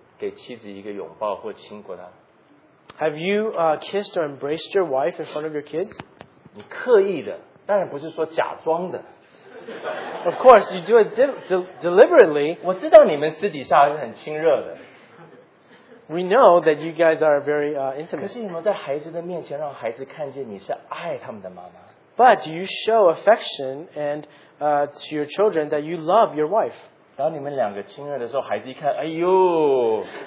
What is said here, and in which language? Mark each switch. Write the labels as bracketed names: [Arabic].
[Chinese] 你有没有在孩子的面前给妻子一个拥抱或亲过她? [English] Have you kissed or embraced your wife in front of your kids? [Chinese] 你刻意的, 当然不是说假装的。 [English] Of course, you do it deliberately. [Chinese] 我知道你们私底下是很亲热的。 [English] We know that you guys are very intimate. [Chinese] 可是你们在孩子的面前让孩子看见你是爱他们的妈妈。 [English] But you show affection and to your children that you love your wife. [Chinese] 当你们两个亲热的时候，孩子一看，哎呦。